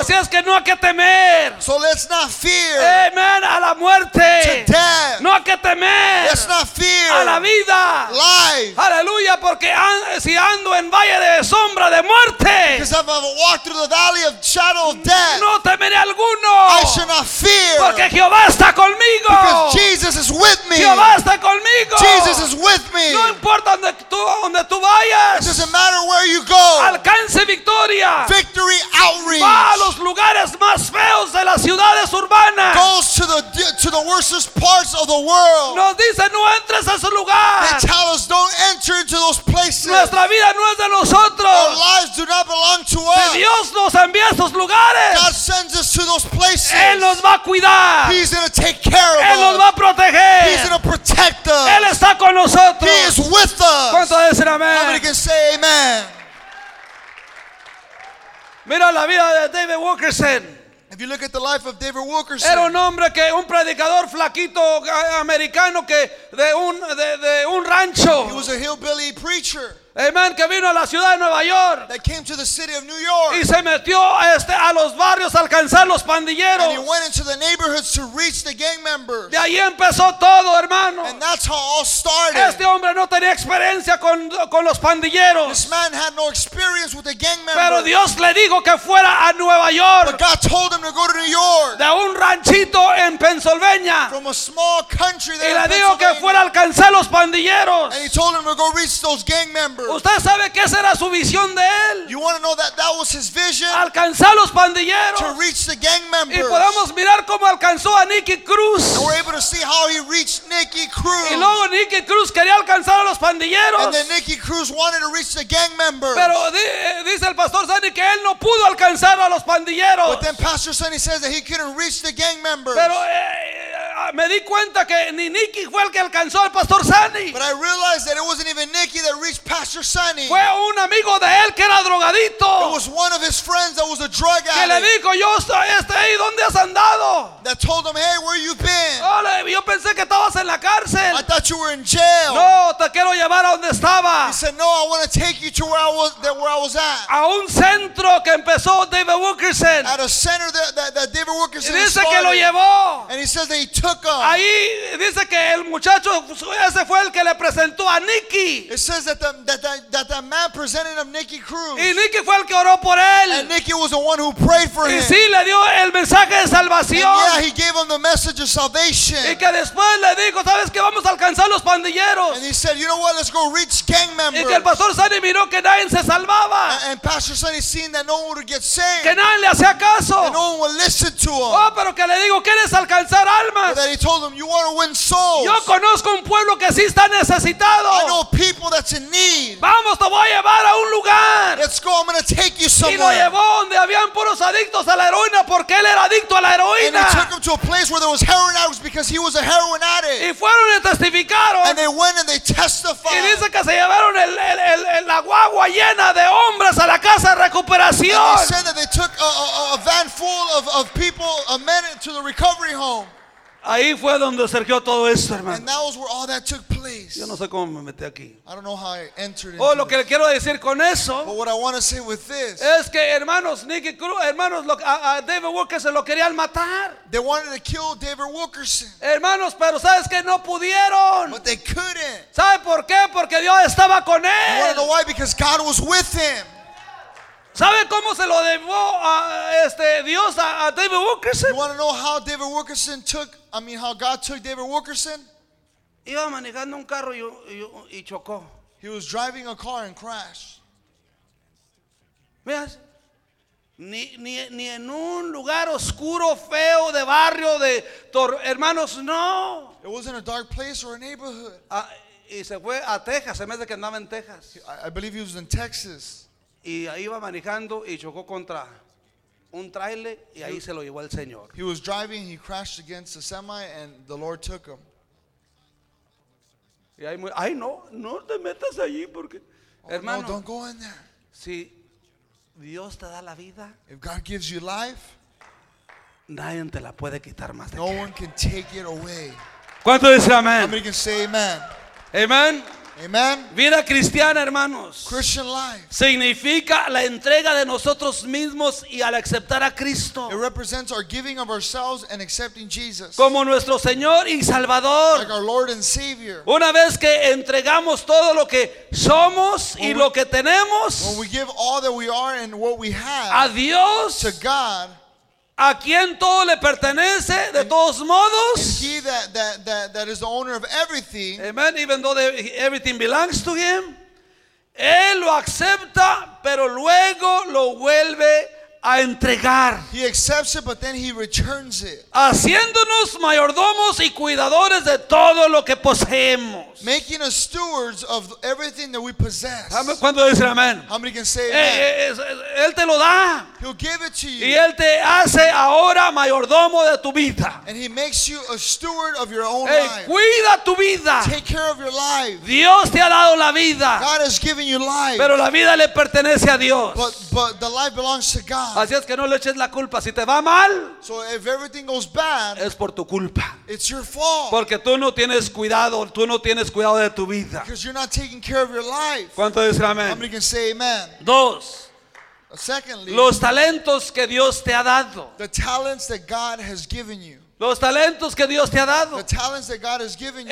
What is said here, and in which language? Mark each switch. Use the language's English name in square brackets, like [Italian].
[Spanish] Así es que no hay que temer. [English] So let's not fear. [Spanish] Amen. A la muerte. [English] To death. [Spanish] No hay que temer. [English] Let's not fear. [Spanish] A la vida. [English] Life. [Spanish] Aleluya, porque si ando en valle de sombra de muerte. [English] Because if I've walked through the valley of shadow of death. [Spanish] No temeré alguno. [English] I shall not fear. [Spanish] Porque Jehová está conmigo. [English] Because Jesus is with me. [Spanish] Jehová está conmigo. [English] Jesus is with me. [Spanish] No importa donde tú vayas. [English] It doesn't matter where you go. [Spanish] Alcance victoria. [English] Victory outreach. [Spanish] Va a los lugares más feos de las ciudades urbanas. [English] Goes to the worstest parts of the world. [Spanish] Nos dice no entres a ese lugar. [English] They tell us don't enter into those places. [Spanish] Nuestra vida no es de nosotros. [English] Our lives do not belong to us. [Spanish] Si Dios nos envía a esos lugares. [English] God sends us to those places. [Spanish] Él nos va a cuidar. [English] He's going to take care of [Spanish] Él [English] us. [Spanish] Él nos va a proteger. [English] He's going to protect us. [Spanish] Él está con nosotros. [English] He is with us. [Spanish] ¿Cuánto dicen amén? [English] Nobody can say amen. [Spanish] Mira la vida de David Wilkerson. [English] If you look at the life of David Wilkerson, [Spanish] era un hombre que un predicador flaquito americano que de un rancho. [English] He was a hillbilly preacher. [Spanish] Amen, que vino a la ciudad de Nueva York. [English] That came to the city of New York. [Spanish] Y se metió a los barrios a alcanzar los pandilleros. [English] And he went into the neighborhoods to reach the gang members. [Spanish] De ahí empezó todo, hermano. [English] And that's how it all started. [Spanish] Este hombre no tenía experiencia con los pandilleros. [English] This man had no experience with the gang members. [Spanish] Pero Dios le dijo que fuera a Nueva York. [English] But God told him to go to New York. [Spanish] De un ranchito en Pennsylvania. [English] From a small country there. [Spanish] Y le dijo que fuera a alcanzar los pandilleros. [English] And he told him to go reach those gang members. [Spanish] Usted sabe que esa era su visión de él. [English] You want to know that was his vision? [Spanish] Alcanzar los pandilleros. [English] To reach the gang members. [Spanish] Y podemos mirar cómo alcanzó a Nicky Cruz. [English] And we're able to see how he reached Nicky Cruz. [Spanish] Y luego Nicky Cruz quería alcanzar a los pandilleros. [English] And then Nicky Cruz wanted to reach the gang members. [Spanish] Pero dice el pastor Sandy que él no pudo alcanzar a los pandilleros. [English] But then Pastor Sandy says that he couldn't reach the gang members. [Spanish] Pero me di cuenta que ni Nicky fue el que alcanzó al Pastor Sunny. [English] But I realized that it wasn't even Nicky that reached Pastor Sunny. [Spanish] Fue un amigo de él que era drogadito. [English] It was one of his friends that was a drug addict. [Spanish] Que le dijo, yo estoy, ¿dónde has andado? [English] That told him, hey, where you been? [Spanish] Oh, yo pensé que estabas en la cárcel. [English] I thought you were in jail. [Spanish] No, te quiero llevar a donde estaba. [English] He said, no, I want to take you to where I was at. [Spanish] A un centro que empezó David Wilkerson. [English] At a center that David Wilkerson started. [Spanish] Y dice que lo llevó. [English] And he says that he took him. [Spanish] Ahí dice que el muchacho ese fue el que le presentó a Nicky. [English] It says that man presented him Nicky Cruz. [Spanish] Y Nicky fue el que oró por él. [English] And Nicky was the one who prayed for him. [Spanish] Y sí, le dio el mensaje de salvación. [English] And yeah, he gave him the message of salvation. [Spanish] Y que después le dijo, ¿sabes qué? Vamos a alcanzar los pandilleros. [English] And he said, you know what? Let's go reach gang members. [Spanish] Y que el pastor Sunny miró que nadie se salvaba. [English] And Pastor Sunny seen that no one would get saved. [Spanish] Que nadie le hacía caso. [English] And no one would listen to him. [Spanish] Oh, pero que le digo, ¿quieres alcanzar almas? [English] But he told him, you want to win souls. [Spanish] Yo conozco un pueblo que sí está necesitado. [English] I know people that's in need. [Spanish] Vamos, te voy a llevar a un lugar. [English] Let's go, I'm going to take you somewhere. [Spanish] Y lo llevó donde habían puros adictos a la heroína porque él era adicto a la heroína. [English] And he took him to a place where there was heroin addicts because he was a heroin addict. [Spanish] Y fueron y testificaron. [English] And they went and they testified. [Spanish] Y dice que se llevaron la guagua llena de hombres a la casa de recuperación. [English] And they said that they took a van full of people, of men to the recovery home. [Spanish] Ahí fue donde surgió todo esto, hermano. [English] And that was where all that took place. [Spanish] Yo no sé cómo me metí aquí. [English] I don't know how I entered into [Spanish] lo que le quiero decir con eso. [English] But what I want to say with this. [Spanish] Es que hermanos, Nicky Cruz, hermanos, a David Wilkerson lo querían matar. [English] They wanted to kill David Wilkerson. [Spanish] Hermanos, pero ¿sabes qué? No pudieron. [English] But they couldn't. [Spanish] ¿Sabe por qué? Porque Dios estaba con él. [English] You want to know why? Because God was with him. [Spanish] ¿Sabe cómo se lo llevó a Dios a David Wilkerson? [English] You want to know how David Wilkerson took, how God took David Wilkerson? [Spanish] Iba manejando un carro y chocó. [English] He was driving a car and crashed. [Spanish] ¿Ves? Ni en un lugar oscuro, feo, de barrio, de hermanos, no. [English] It wasn't a dark place or a neighborhood. [Spanish] Y se fue a Texas, en vez de que andaba en Texas. [English] I believe he was in Texas. [Spanish] Y ahí iba manejando y chocó contra un trailer y ahí se lo llevó el Señor. [English] He was driving, he crashed against a semi and the Lord took him. [Spanish] Y ahí, ay no, no te metas allí porque hermano, [English] no, don't go in there. [Spanish] Si Dios te da la vida, [English] if God gives you life, [Spanish] nadie te la puede quitar más de [English] no one can take it away. [Spanish] ¿Cuánto dice amén? [English] How many can say amen? [Spanish] Amen. [English] Amen. [Spanish] Vida cristiana, hermanos. [English] Christian life. [Spanish] Significa la entrega de nosotros mismos y al aceptar a Cristo. [English] It represents our giving of ourselves and accepting Jesus. [Spanish] Como nuestro Señor y Salvador. [English] Like our Lord and Savior. [Spanish] Una vez que entregamos todo lo que somos y lo que tenemos. [English] When we give all that we are and what we have. [Spanish] A Dios. [English] To God. [Spanish] A quien todo le pertenece de todos modos. [English] He that is the owner of everything. [Spanish] Amen. [English] Even though everything belongs to him, [Spanish] él lo acepta, pero luego lo vuelve a entregar. [English] He accepts it, but then he returns it. [Spanish] Haciéndonos mayordomos y cuidadores de todo lo que poseemos. [English] Making us stewards of everything that we possess. [Spanish] ¿Cuándo dice amén? [English] How many can say amen? [Spanish] Él te lo da. [English] He'll give it to you. [Spanish] Y él te hace ahora mayordomo de tu vida. [English] And he makes you a steward of your own life. [Spanish] Cuida tu vida. [English] Take care of your life. [Spanish] Dios te ha dado la vida. [English] God has given you life. [Spanish] Pero la vida le pertenece a Dios. [English] But the life belongs to God. [Spanish] Así es que no le eches la culpa. Si te va mal, [English] so if everything goes bad, [Spanish] es por tu culpa. [English] It's your fault. [Spanish] Porque tú no tienes cuidado. Tú no tienes cuidado de tu vida. [English] Because you're not taking care of your life. [Spanish] ¿Cuánto dice amén? [English] How many can say amen? [Spanish] Dos. [English] Secondly, [Spanish] los talentos que Dios te ha dado. [English] The talents that God has given you. [Spanish] Los talentos que Dios te ha dado. [English] The talents that God has given you.